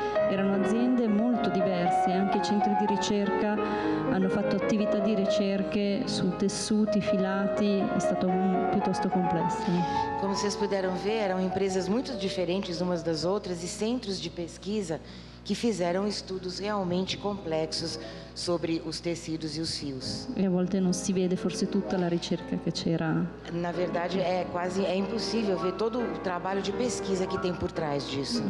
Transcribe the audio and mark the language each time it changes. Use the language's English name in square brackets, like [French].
[Italian] erano aziende molto diverse, anche centri di ricerca hanno fatto attività di ricerche su tessuti, filati, è stato piuttosto complesso. [Portuguese] Come vocês puderam ver, eram empresas muito diferentes umas das outras e centros de pesquisa que fizeram estudos realmente complexos sobre os tecidos e os fios. [Italian] E a volte non si vede forse tutta la ricerca che c'era. [Portuguese] Na verdade é quasi é impossível ver todo o trabalho de pesquisa que tem por trás disso.